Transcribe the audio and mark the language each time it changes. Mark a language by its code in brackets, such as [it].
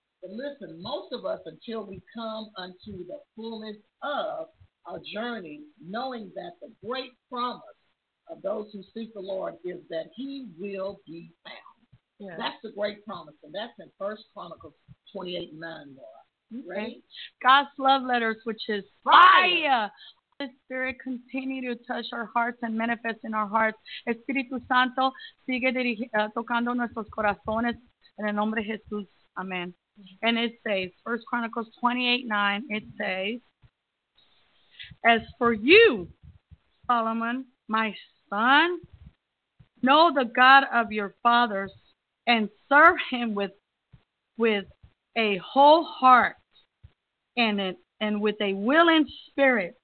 [en] But listen, most of us, until we come unto the fullness of our journey, knowing that the great promise of those who seek the Lord is that He will be found. Yes. That's the great promise, and that's in 1 Chronicles 28:9, Laura. Right? God's love letters, which is fire. The Spirit continue to touch our hearts and manifest in our hearts. [es] Espíritu Santo, sigue tocando nuestros corazones en el nombre de Jesús. [en] Amen. Mm-hmm. And it says, 1 Chronicles 28:9, it says, as for you, Solomon, my son, know the God of your fathers and serve Him with a whole heart and with a willing spirit.